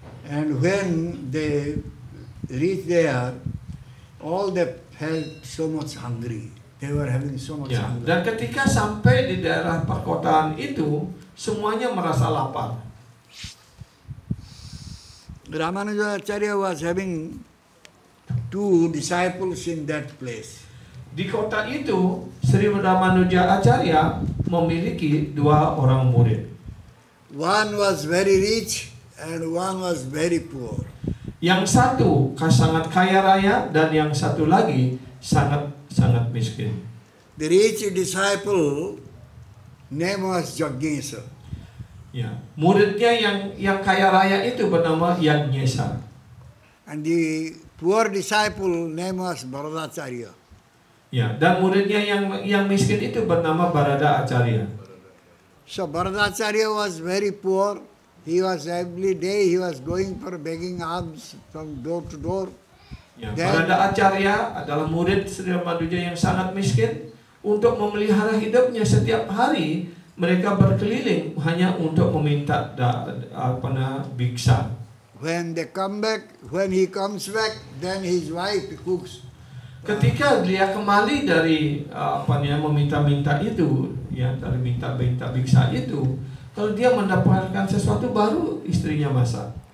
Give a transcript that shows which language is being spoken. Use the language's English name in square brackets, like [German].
[English] And when they reach there, all they felt so much hungry. They were having so much hunger. [Indonesian] Dan ketika sampai di daerah perkotaan itu, semuanya merasa lapar. [English] Ramanuja Acharya was having 2 disciples in that place. [Indonesian] Di kota itu, Sri Ramanuja Acharya memiliki 2 orang murid. [English] One was very rich and one was very poor. [Indonesian] Yang satu sangat kaya raya dan yang satu lagi sangat miskin. [English] The rich disciple name was Jagnesa. [Indonesian] Ya, muridnya yang kaya raya itu bernama Jagnesa. [English] And the poor disciple name was Bharadacharya. [Indonesian] Ya, dan muridnya yang miskin itu bernama Bharada Acharya. [English] So Bharadacharya was very poor. He was every day he was going for begging alms from door to door. [Indonesian] Bharada Acharya adalah murid Sri Ramanuja yang sangat miskin. Untuk memelihara hidupnya setiap hari mereka berkeliling hanya untuk meminta biksa. [English] When they come back, when he comes back, then his wife cooks. [Indonesian] Ketika dia kembali dari meminta-minta itu, dari minta-minta biksa itu, kalau dia mendapatkan sesuatu baru istrinya masak.